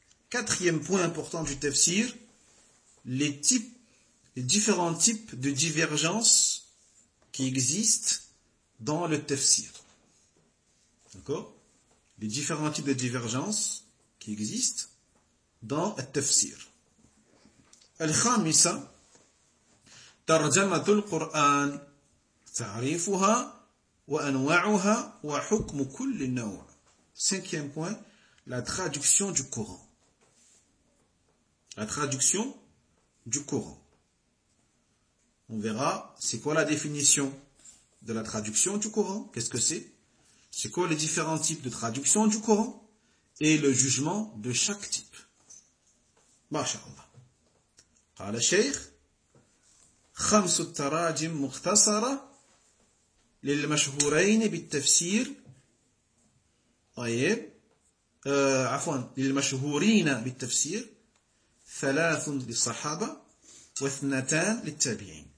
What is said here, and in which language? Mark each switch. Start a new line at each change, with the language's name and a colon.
French: Quatrième point important du tafsir, les types, les différents types de divergences qui existent dans le tafsir. D'accord? Les différents types de divergences qui existent dans le tafsir. Al-Khamisa,
Arabic: ترجمة القرآن تعريفها وأنواعها وحكم كل نوع.
French: Cinquième point, la traduction du Coran. La traduction du Coran. On verra c'est quoi la définition de la traduction du Coran, qu'est-ce que c'est? C'est quoi les différents types de traduction du Coran et le jugement de chaque type.
Arabic: Masha'Allah. قال الشيخ خمس التراجم مختصرة للمشهورين بالتفسير طيب عفوا للمشهورين بالتفسير ثلاث للصحابة واثنتان للتابعين.